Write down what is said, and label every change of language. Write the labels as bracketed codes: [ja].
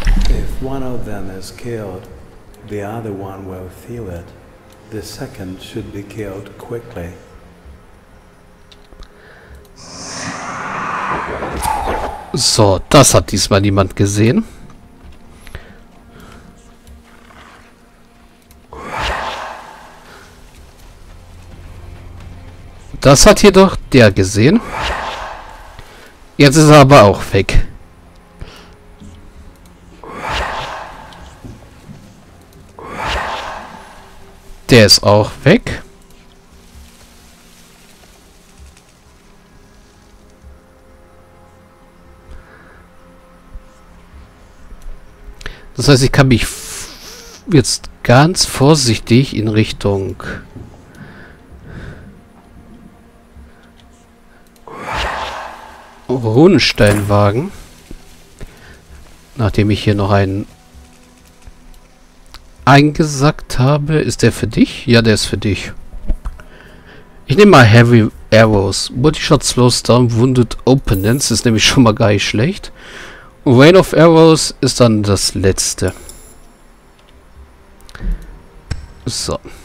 [en] If one of them is killed, the other one will feel it. The second should be killed quickly. [de] So, das hat diesmal niemand gesehen. Das hat jedoch der gesehen. Jetzt ist er aber auch weg. Der ist auch weg. Das heißt, ich kann mich jetzt ganz vorsichtig in Richtung... Runensteinwagen, nachdem ich hier noch einen eingesackt habe. Ist der für dich? Ja, der ist für dich. Ich nehme mal Heavy Arrows. [en] Multishot slows down wounded opponents. [de] Ist nämlich schon mal gar nicht schlecht. Und Rain of Arrows ist dann das letzte. So.